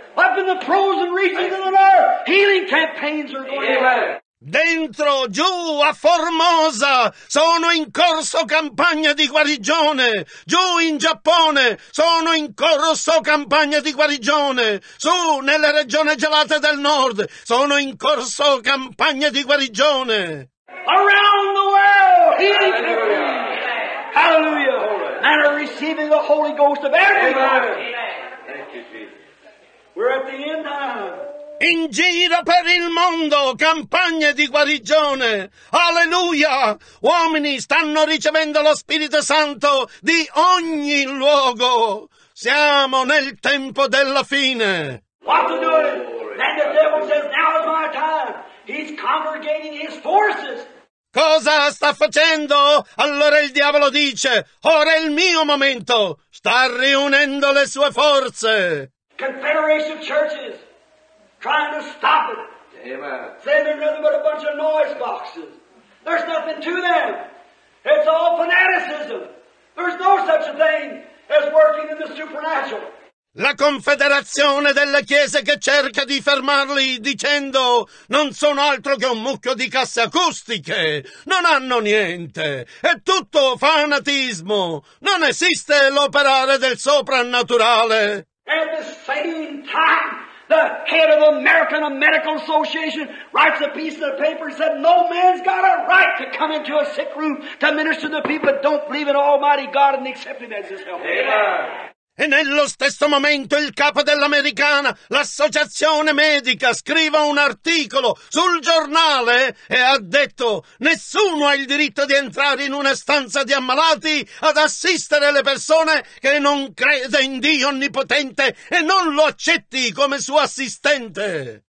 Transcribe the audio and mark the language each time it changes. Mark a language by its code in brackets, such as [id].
[en] Up in the frozen regions of the earth, healing campaigns are going on. [it] Dentro, giù, a Formosa, sono in corso campagne di guarigione. Giù, in Giappone, sono in corso campagne di guarigione. Su, nelle regioni gelate del nord, sono in corso campagne di guarigione. [en] Around the world, healing campaigns. Hallelujah. And are receiving the Holy Ghost of everybody. Amen. We're at the end time. [it] In giro per il mondo, campagne di guarigione. Alleluia! Uomini stanno ricevendo lo Spirito Santo di ogni luogo. Siamo nel tempo della fine. [en] What's he doing? And the devil says, now is my time. He's congregating his forces. [it] Cosa sta facendo? Allora il diavolo dice, ora è il mio momento. Sta riunendo le sue forze. [en] Confederation churches trying to stop it. Amen. They're nothing but a bunch of noise boxes. There's nothing to them. It's all fanaticism. There's no such a thing as working in the supernatural. [it] La confederazione delle chiese che cerca di fermarli dicendo non sono altro che un mucchio di casse acustiche, non hanno niente, è tutto fanatismo, non esiste l'operare del soprannaturale. [en] At the same time, the head of the American Medical Association writes a piece of the paper and said no man's got a right to come into a sick room to minister to the people that don't believe in Almighty God and accept Him as His help. Amen. [it] E nello stesso momento il capo dell'americana, l'associazione medica, scrive un articolo sul giornale e ha detto «Nessuno ha il diritto di entrare in una stanza di ammalati ad assistere le persone che non crede in Dio Onnipotente e non lo accetti come suo assistente!»